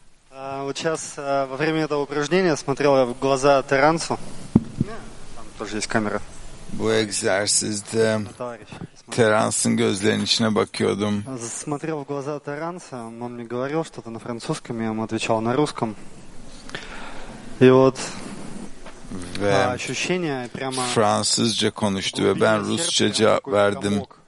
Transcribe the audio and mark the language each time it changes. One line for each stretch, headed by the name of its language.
Russian: Вот сейчас во время этого упражнения смотрел в глаза Таранцу. Тоже есть камера.
Turkish: Bu egzersizde Terans'ın gözlerinin içine bakıyordum.
Russian: Смотрел в глаза Таранца, он мне говорил что-то на французском, я ему отвечал на русском. И вот ощущение прямо
Turkish: Французча конуштю, ve ben Rusça cevap verdim.